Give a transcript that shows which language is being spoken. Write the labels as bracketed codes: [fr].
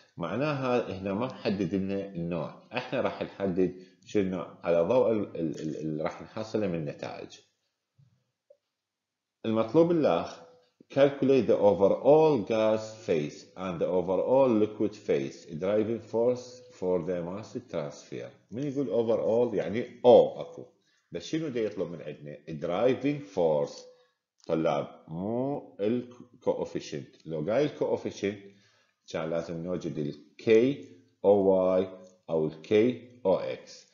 [ar] معناها احنا ما نحدد لنا النوع، احنا راح نحدد شنو على ضوء اللي راح نحصله من النتائج. المطلوب الاخ [en] calculate the overall gas phase and the overall liquid phase driving force for the mass transfer. [ar] من يقول overall يعني اكو، بس شنو دا يطلب من عندنا؟ driving force طلاب، مو الكوفيشنت. لو قايل الكوفيشنت كان لازم نوجد ال K O Y أو ال K O X.